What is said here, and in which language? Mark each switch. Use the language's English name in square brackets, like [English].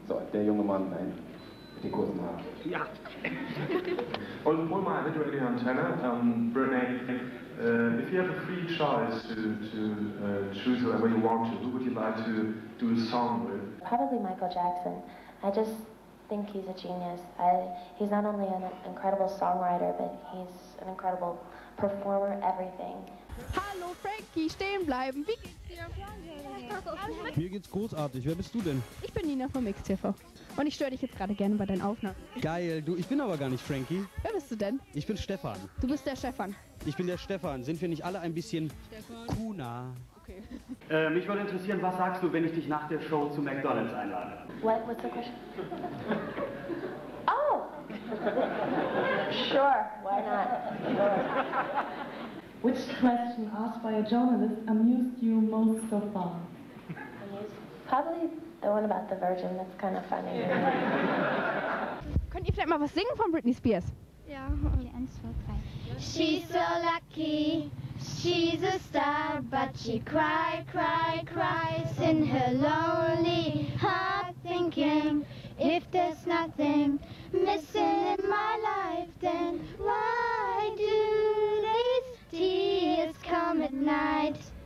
[German] So, der junge Mann, mit den kurzen Haaren. Ja. Und hol mal bitte die Antenne. [English] Brene, if you have a free choice to choose whoever you want to, who would you like to do a song with? Probably Michael Jackson. I just think he's a genius. He's not only an incredible songwriter, but he's an incredible performer, everything. [German] Hallo Frankie, stehen bleiben. Wie geht's dir? Mir geht's großartig. Wer bist du denn? Ich bin Nina vom XTV. Und ich störe dich jetzt gerade gerne bei deinen Aufnahmen. Geil, du, ich bin aber gar nicht Frankie. Wer bist du denn? Ich bin Stefan. Du bist der Stefan. Ich bin der Stefan. Sind wir nicht alle ein bisschen Kuna? Okay. Mich würde interessieren, was sagst du, wenn ich dich nach der Show zu McDonald's einlade? [English] What's the question? Oh! Sure, why not? Sure. Which question asked by a journalist amused you most so far? Probably the one about the virgin, that's kind of funny. [German] Könnt ihr vielleicht mal was singen von Britney Spears? Ja. [English] She's so lucky, she's a star, but she cries in her lonely heart thinking, if there's nothing missing in my life, then why do these tears come at night?